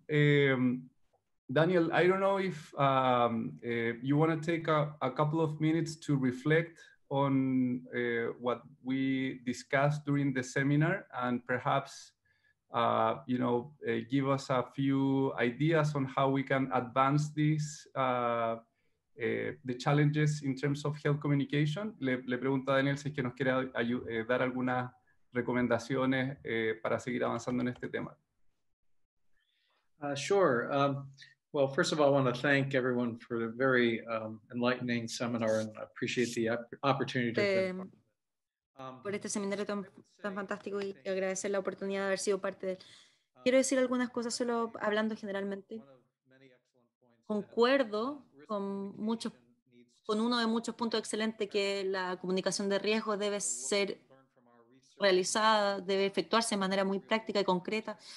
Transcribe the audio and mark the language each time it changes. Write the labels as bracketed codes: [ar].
[en] Daniel, I don't know if you want to take a couple of minutes to reflect on what we discussed during the seminar, and perhaps you know, give us a few ideas on how we can advance these the challenges in terms of health communication. [es] Le pregunto a Daniel si es que nos quiere dar algunas recomendaciones para seguir avanzando en este tema. [en] Sure. Well, first of all, I want to thank everyone for the very enlightening seminar, and I appreciate the opportunity to [es] por este seminario tan fantástico, y agradecer la oportunidad de haber sido parte de él. Quiero decir algunas cosas solo hablando generalmente. Concuerdo con uno de muchos puntos excelentes, que la comunicación de riesgo debe ser realizada, debe efectuarse de manera muy práctica y concreta.